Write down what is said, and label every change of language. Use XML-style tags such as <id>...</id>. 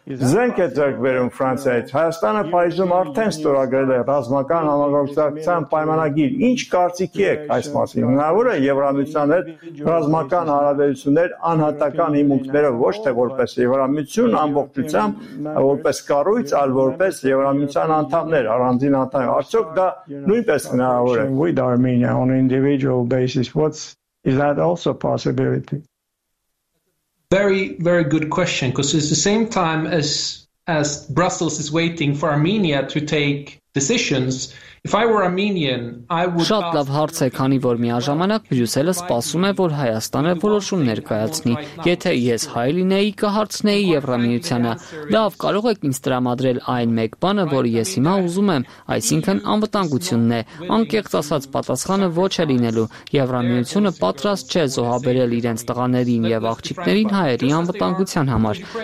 <hy>զենք է ձեռք բերում Ֆրանսիայից։ Հայաստանը Փարիզում արդեն ստորագրել է ռազմական համագործակցության պայմանագիր։ Ինչ կարծիքի եք այս մասին։ Հնարավոր է Եվրամիության հետ ռազմական հարաբերություններ անհատական հիմունքներով, ոչ թե որպես Եվրամիություն ամբողջությամբ, որպես կառույց, այլ որպես Եվրամիության անդամներ, առանձին անդամներ։ Արդյոք դա նույնպես հնարավոր է։</hy> <en>With Armenia on individual basis, what's is that also a possibility? Very, very good question, because it's the same time as Brussels is waiting for Armenia to take decisions. If I were Armenian, I would</en> <hy>Շատ լավ հարց է, քանի որ միաժամանակ Բրյուսելը սպասում է, որ Հայաստանը որոշում ներկայացնի։ Եթե ես հայ լինեի, կհարցնեի Եվրամիությանը. Լավ, կարող եք ինձ տրամադրել այն մեկ բանը, որը ես հիմա ուզում եմ, այսինքն անվտանգությունն է։ Անկեղծ ասած, պատասխանը ոչ է լինելու։ Եվրամիությունը պատրաստ չէ զոհաբերել իրենց տղաներին եւ աղջիկներին հայերի անվտանգության համար։</hy>